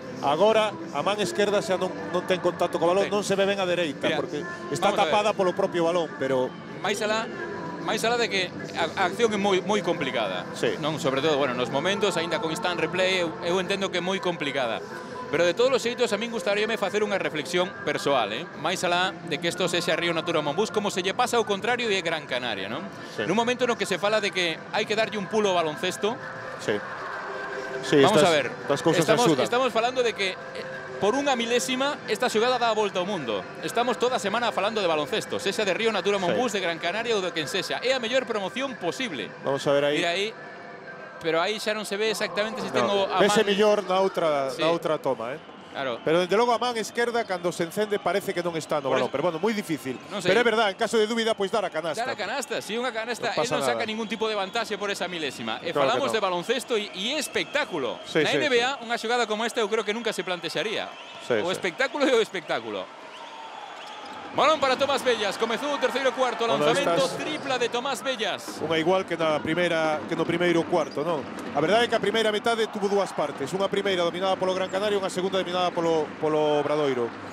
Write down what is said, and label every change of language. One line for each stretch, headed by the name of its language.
Spanish: Ahora, a mano izquierda ya no tiene contacto con balón. No se ve bien a derecha porque está tapada por el propio balón.
Galician: Pero. Máis alá de que a acción é moi complicada. Sí. Non, sobre todo, bueno, nos momentos, aínda con instant replay, eu entendo que é moi complicada. Pero de todos os sitios, a mí gustaríame facer unha reflexión persoal, máis alá de que isto sexa Río Natura Mombús, como se lle pasa ao contrario de Gran Canaria, non? Sí. Nun momento no que se fala de que hai que darlle un pulo ao baloncesto. Sí. Sí, vamos estas, a ver, estamos falando de que por unha milésima esta xogada dá a volta ao mundo. Estamos toda semana falando de baloncesto, sexa de Río Natura Mombús, sí, de Gran Canaria ou de quen sexa. É a mellor promoción posible. Vamos a ver aí. E aí, pero aí xa non se ve exactamente se tengo a man. Vese mellor na outra, sí, na outra toma, Claro. Pero desde logo a man esquerda cando se encende parece que non está no balón, pero bueno, moi difícil.
Spanish: No sé.
Galician: Pero é verdad, en caso de dúbida pois dar a canasta. Dar a canasta, si unha canasta, no, non saca ningún tipo de vantaxe por esa milésima. Claro, e falamos no de baloncesto e é espectáculo. Sí, na NBA, sí, sí, unha xogada como esta eu creo que nunca se plantexaría. Sí, o espectáculo é, sí, o espectáculo. Balón para Tomás Bellas, comezou o terceiro cuarto, lanzamento tripla de Tomás Bellas. Unha igual que na primeira, que no primeiro cuarto, non? A verdade é que a primeira metade tuvo dúas partes, unha primeira dominada polo Gran Canario e unha segunda dominada polo Obradoiro.